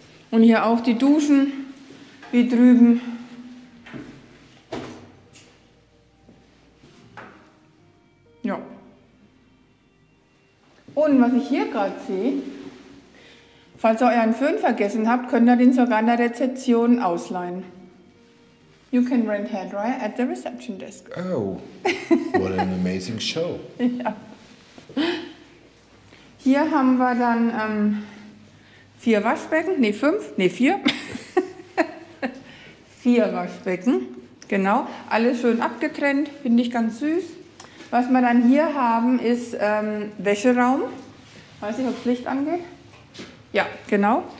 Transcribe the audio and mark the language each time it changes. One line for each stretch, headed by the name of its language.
German: Und hier auch die Duschen wie drüben. Ja. Und was ich hier gerade sehe, falls ihr euren Föhn vergessen habt, könnt ihr den sogar an der Rezeption ausleihen.
English: You can rent hair dryer at the reception desk. Oh, what an amazing show.
German: Ja. Hier haben wir dann vier Waschbecken, nee, fünf, nee, vier. Vier Waschbecken, genau. Alles schön abgetrennt, finde ich ganz süß. Was wir dann hier haben, ist Wäscheraum. Weiß ich, ob das Licht angeht. Ja, genau.